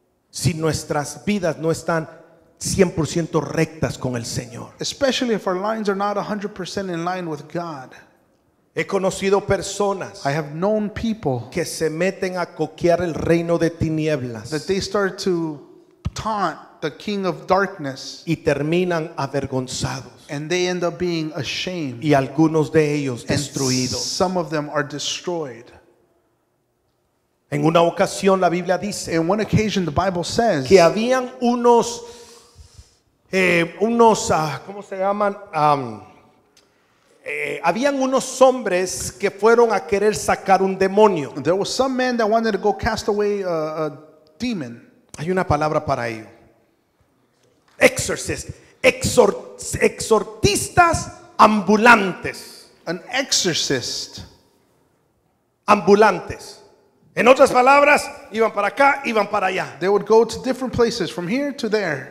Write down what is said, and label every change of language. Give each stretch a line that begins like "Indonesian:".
Spanish: si nuestras vidas no están 100% rectas con el Señor.
English: Especially if our lines are not 100% in line with God.
Spanish: He conocido personas,
English: I have known people,
Spanish: que se meten a coquear el reino de tinieblas,
English: that they start to taunt the king of darkness,
Spanish: y terminan avergonzados,
English: and they end up being ashamed,
Spanish: y algunos de ellos destruidos,
English: and some of them are destroyed.
Spanish: En una ocasión la Biblia dice,
English: in one occasion, the Bible says,
Spanish: que habían unos ¿cómo se llaman? Habían unos hombres que fueron a querer sacar un demonio.
English: There was some man that wanted to go cast away a demon.
Spanish: Hay una palabra para ello. Exorcist, exorcistas ambulantes.
English: An exorcist.
Spanish: Ambulantes. En otras palabras, iban para acá, iban para allá.
English: They would go to different places, from here to there.